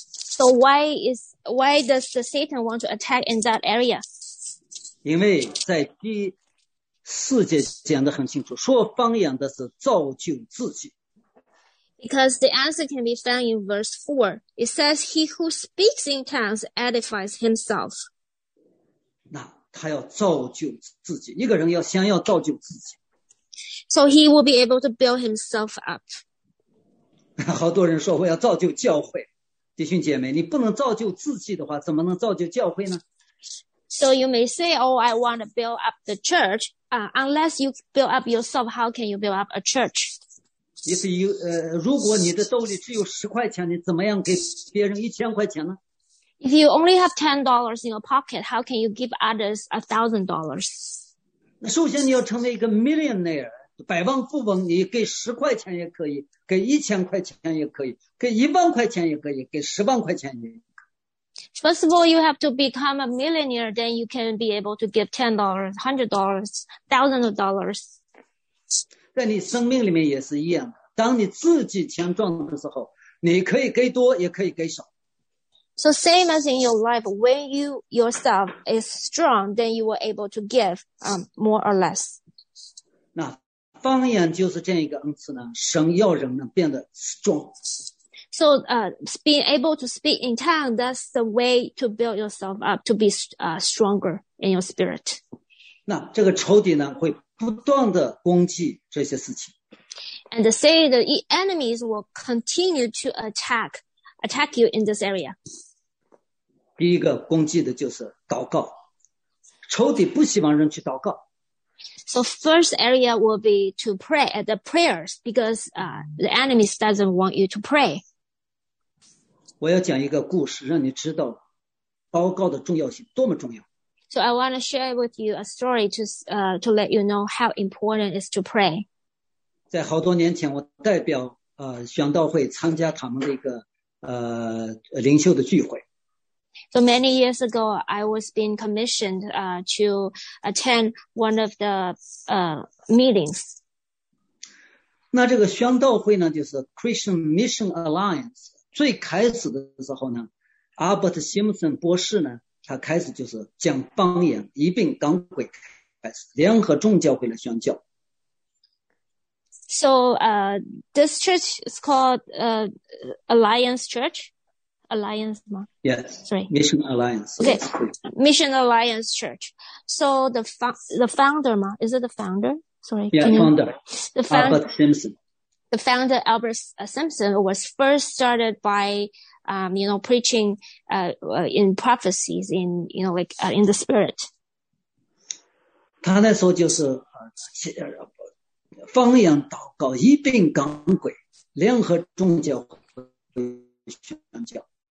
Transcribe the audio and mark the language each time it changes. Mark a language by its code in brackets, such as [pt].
[en] So why does the Satan want to attack in that area? [zh] 因为在第四节讲得很清楚，说方言的是造就自己。 [en] Because the answer can be found in verse 4. It says, he who speaks in tongues edifies himself. [zh] 那他要造就自己，一个人要想要造就自己。 [en] So he will be able to build himself up. [zh] 好多人说我要造就教会。弟兄姐妹，你不能造就自己的话，怎么能造就教会呢？ [en] So you may say, oh, I want to build up the church. Unless you build up yourself, how can you build up a church? [zh] 意思如果你的兜里只有10块钱，你怎么样给别人1000块钱呢？ [en] If you only have $10 in your pocket, how can you give others $1,000? [zh] 首先你要成为一个 millionaire, 百万富翁，你给十块钱也可以，给一千块钱也可以，给一万块钱也可以，给十万块钱也可以。 [en] First of all, you have to become a millionaire, then you can be able to give $10, $100, $1,000. [zh] 在你生命里面也是一样，当你自己强壮的时候，你可以给多，也可以给少。 [en] So same as in your life, when you yourself is strong, then you were able to give more or less. [zh] 那方言就是这样一个恩赐呢，神要人呢变得 [en] strong。 So being able to speak in tongue, that's the way to build yourself up, to be stronger in your spirit. [zh] 那这个仇敌呢，会不断的攻击这些事情。 [en] And they say the enemies will continue to attack you in this area. [zh] 第一个攻击的就是祷告，仇敌不希望人去祷告。 [en] So first area will be to pray at the prayers, because the enemies doesn't want you to pray. [zh] 我要讲一个故事，让你知道祷告的重要性多么重要。 [en] So I want to share with you a story to let you know how important it is to pray. [zh] 在好多年前，我代表宣道会参加他们的一个灵修的聚会。 [en] So many years ago, I was being commissioned to attend one of the meetings. [zh] 那这个宣道会呢，就是 Christian Mission Alliance。最开始的时候呢 ，Albert Simpson 博士呢，他开始就是讲方言，一并当会开始联合众教会来宣教。 [en] So, this church is called Alliance Church. [zh] Alliance 吗 [en] ？Yes. Sorry. Mission Alliance. Okay. Mission Alliance Church. So the founder [zh] 吗 [en] ？Is it the founder? Sorry. Yeah, founder. Albert Simpson. The founder Albert Simpson was first started by, preaching in prophecies in in the spirit. [zh] 他那时候就是方言祷告一并赶鬼联合众教会宣教。